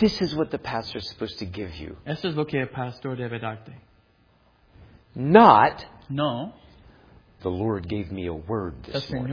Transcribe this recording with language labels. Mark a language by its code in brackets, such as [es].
[en] This is what the pastor is supposed to give you. [es] Esto es lo que el pastor debe darte. [en] Not. [es] No. [en] The Lord gave me a word this morning.